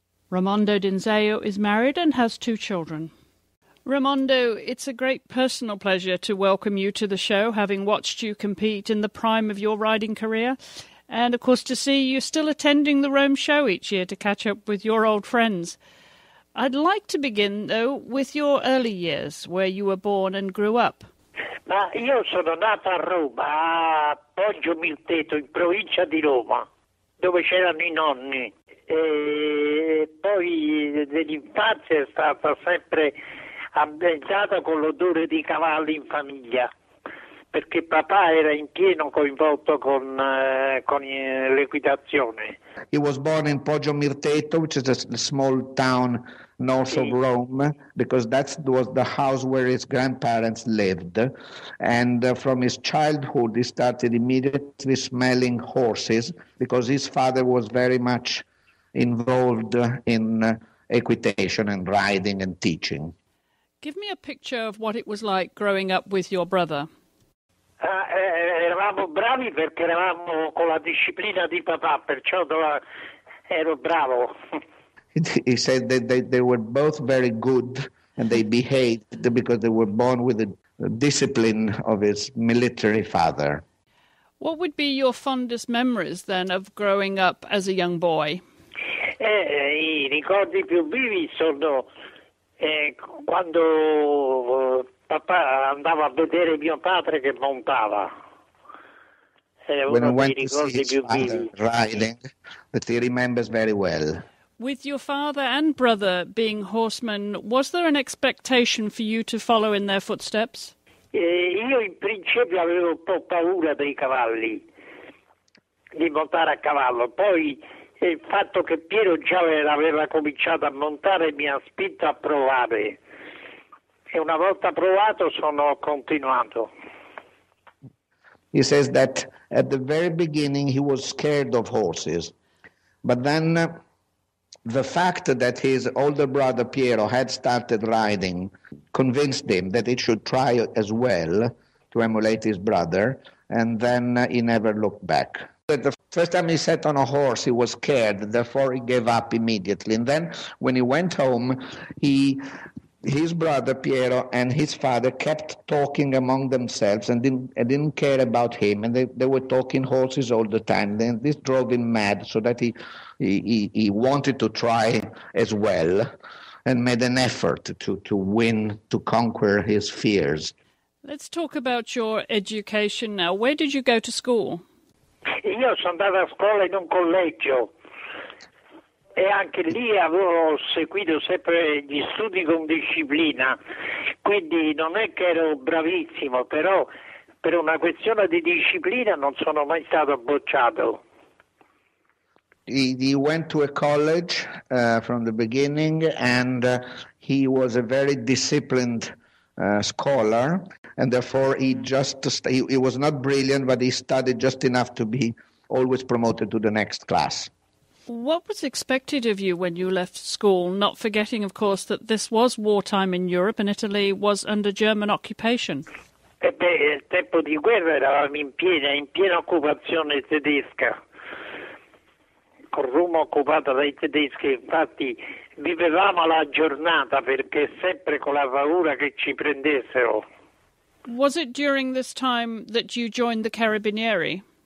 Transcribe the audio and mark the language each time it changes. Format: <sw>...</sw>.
<en>Raimondo Dinzeo is married and has 2 children. Raimondo, it's a great personal pleasure to welcome you to the show, having watched you compete in the prime of your riding career, and of course to see you still attending the Rome show each year to catch up with your old friends. I'd like to begin, though, with your early years, where you were born and grew up.</en> <it>Ma io sono nato a Roma, a Poggio Mettetto, in provincia di Roma, dove c'erano i nonni. E poi dell'infanzia è stata sempre ambientata con l'odore di cavalli in famiglia, perché papà era in pieno coinvolto con l'equitazione.</it> <en>He was born in Poggio Mettetto, which is a small town north of Rome, because that was the house where his grandparents lived. And from his childhood, he started immediately smelling horses because his father was very much involved in equitation and riding and teaching. Give me a picture of what it was like growing up with your brother.</en> <it>Eravamo bravi perché eravamo con la disciplina di papà, perciò ero bravo.</it> <en>He said that they were both very good and they behaved because they were born with the discipline of his military father. What would be your fondest memories then of growing up as a young boy?</en> <it>I ricordi più vivi sono quando papà andava a vedere mio padre che montava.</it> <en>When he went to see his father riding, that he remembers very well. With your father and brother being horsemen, was there an expectation for you to follow in their footsteps?</en> <it>Io in principio avevo un po' paura dei cavalli, di montare a cavallo. Poi il fatto che Piero già aveva cominciato a montare mi ha spinto a provare. E una volta provato sono continuato.</it> <en>He says that at the very beginning he was scared of horses, but then the fact that his older brother Piero had started riding convinced him that he should try as well to emulate his brother, and then he never looked back. But the first time he sat on a horse, he was scared, therefore he gave up immediately. And then when he went home, he his brother Piero and his father kept talking among themselves and didn't care about him, and they were talking horses all the time. Then this drove him mad, so that he wanted to try as well, and made an effort to conquer his fears. Let's talk about your education now. Where did you go to school?</en> <it>Io sono andato a scuola in un collegio. E anche lì avevo seguito sempre gli studi con disciplina, quindi non è che ero bravissimo, però per una questione di disciplina non sono mai stato bocciato.</it> <en>He went to a college from the beginning, and he was a very disciplined scholar, and therefore he was not brilliant, but he studied just enough to be always promoted to the next class. What was expected of you when you left school, not forgetting, of course, that this was wartime in Europe and Italy was under German occupation?</en> <it>Beh, il tempo di guerra eravamo in piena occupazione tedesca, con Roma occupata dai tedeschi. Infatti vivevamo la giornata perché sempre con la paura che ci prendessero.</it> <en>Was it during this time that you joined the Carabinieri?</en>